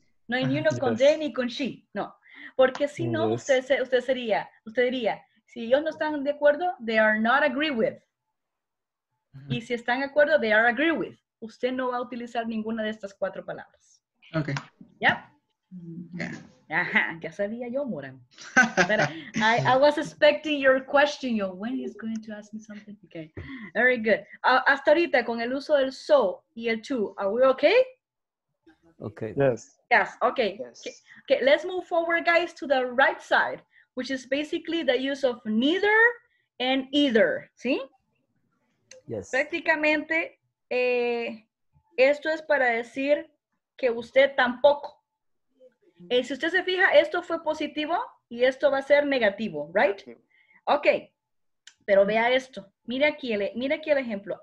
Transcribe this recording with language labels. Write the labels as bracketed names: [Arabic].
[Spanish] No hay ni uno con they ni con she, no. Porque si no, usted diría, si ellos no están de acuerdo, [English] they are not agree with. [Spanish] Uh-huh. Y si están de acuerdo, [English] they are agree with. [Spanish] Usted no va a utilizar ninguna de estas cuatro palabras. Ok. ¿Ya? Yeah. Ajá, ya sabía yo, Moran. [English] I was expecting your question, yo, when he's going to ask me something. Okay, very good. [Spanish] Hasta ahorita, con el uso del so y el to, [English] are we okay? Okay. Yes. Yes, okay. Yes. Okay, let's move forward, guys, to the right side, which is basically the use of neither and either, ¿sí? Yes. [Spanish] Prácticamente, esto es para decir que usted tampoco. Si usted se fija, esto fue positivo y esto va a ser negativo, right? Ok, pero vea esto. Mire aquí el ejemplo.